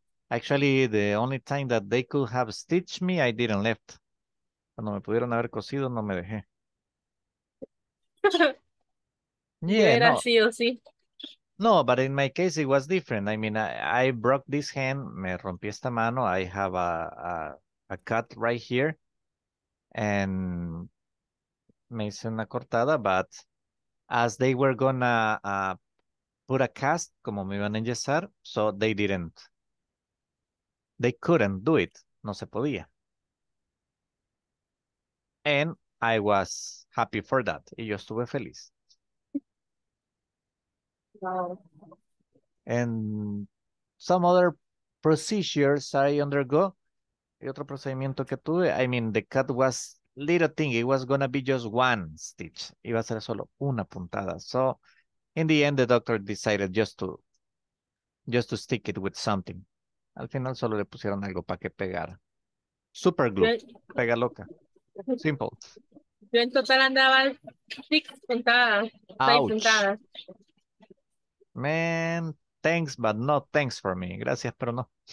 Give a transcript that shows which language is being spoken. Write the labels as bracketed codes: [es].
[en] Actually, the only time that they could have stitched me, I didn't left. [es] Cuando me pudieron haber cosido, no me dejé. [en] Yeah, [es] era no. Sí o sí. [en] No, but in my case, it was different. I mean, I broke this hand, [es] me rompí esta mano, [en] I have a cut right here, and [es] me hice una cortada, [en] but as they were gonna put a cast, [es] como me iban a enyesar, [en] so they didn't. They couldn't do it. [es] No se podía. [en] And I was happy for that. [es] Y yo estuve feliz. [en] Wow. And some other procedures I undergo. [es] Y otro procedimiento que tuve, [en] I mean, the cut was little thing. It was going to be just one stitch. [es] Iba a ser solo una puntada. [en] So in the end, the doctor decided just to stick it with something. [es] Al final solo le pusieron algo para que pegara. [en] Super glue. [es] Pega loca. [en] Simple. [es] Yo en total andaba 6 puntadas. [en] Ouch. 6 puntadas. Man, thanks, but no thanks for me. [es] Gracias, pero no.